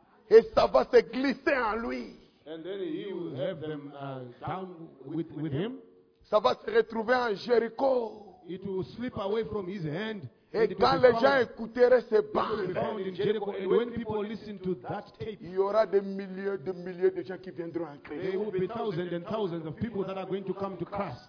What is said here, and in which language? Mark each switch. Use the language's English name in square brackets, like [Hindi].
[French] Et ça va se glisser en lui. [English] And then he will have them down with him. [French] Ça va se retrouver en Jéricho. [English] It will slip away from his hand. [French] Et quand les gens écouteraient ces bandes, [English] in Jericho, and when people listen to that tape, [French] il y aura des milliers de gens qui viendront en Christ. [English] There will be thousands and thousands of people that are going to come to Christ.